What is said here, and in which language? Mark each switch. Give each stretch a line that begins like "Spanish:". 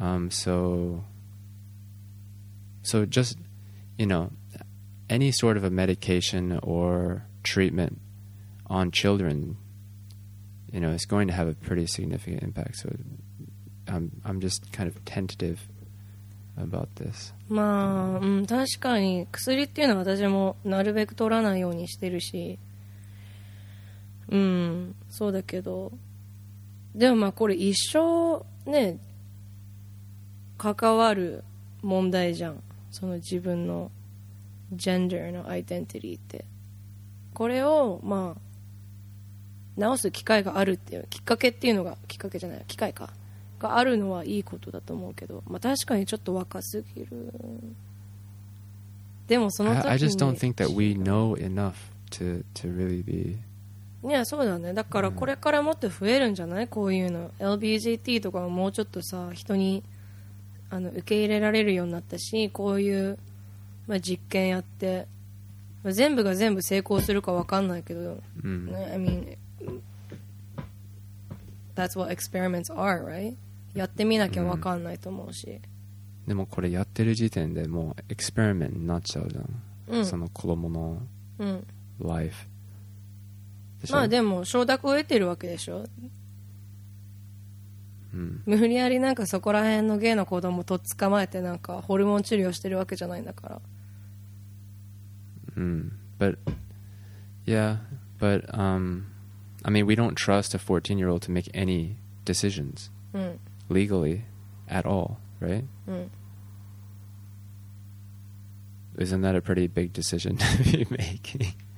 English: So just, you know, any sort of a medication or treatment on children, you know, is going to have a pretty significant impact. So I'm just kind of tentativeAbout this.
Japanese: まあ、うん、確かに薬っていうのは私もなるべく取らないようにしてるし、うん、そうだけど、でもまあこれ一生ね関わる問題じゃん、その自分のジェンダーのアイデンティティって、これをまあ直す機会があるっていうきっかけっていうのが、きっかけじゃない、機会かがあるのはいいことだと思うけど、まあ、確かにちょっと若すぎる。でもその時に
English: I just don't think that we know enough to really be。
Japanese: いやそうだね。だからこれからもっと増えるんじゃない？こういうの LGBT とかももうちょっとさ人にあの受け入れられるようになったし、こういう、まあ、実験やって、まあ、全部が全部成功するか分かんないけど、 mm-hmm.
English: I mean。 That's what experiments are, right?
Japanese: やってみなきゃ分かんないと思うし、でもこれやってる時点でもうエクスペリメントになっちゃうじゃん、うん、その子供の life、うん、まあでも承諾を得てるわけでしょ、うん、無理やりなんかそこら辺のゲイの子供とっ捕まえてなんかホルモン治療してるわけじゃないんだから、
English: うん、But yeah, but I mean, we don't trust a 14-year-old to make any decisions、うん、 legally at all, right?、うん、 Isn't that a pretty big decision to be making?